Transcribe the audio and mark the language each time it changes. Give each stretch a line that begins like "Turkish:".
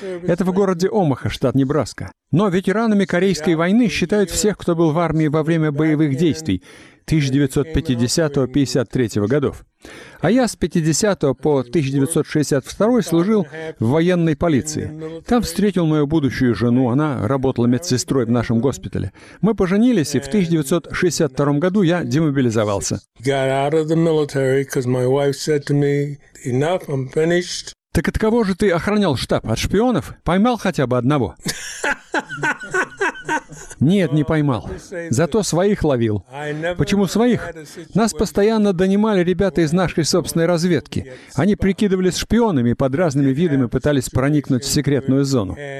Russian: Это в городе Омаха, штат Небраска. Но ветеранами Корейской войны считают всех, кто был в армии во время боевых действий 1950-53 годов. А я с 50 по 1962 служил в военной полиции. Там встретил мою будущую жену, она работала медсестрой в нашем госпитале. Мы поженились, и в 1962 году я демобилизовался.
English: Got out of the military, 'cause my wife said to me, enough, I'm finished.
Russian: Так от кого же ты охранял штаб? От шпионов? Поймал хотя бы одного? Нет, не поймал. Зато своих ловил. Почему своих? Нас постоянно донимали ребята из нашей собственной разведки. Они прикидывались шпионами и под разными видами пытались проникнуть в секретную зону.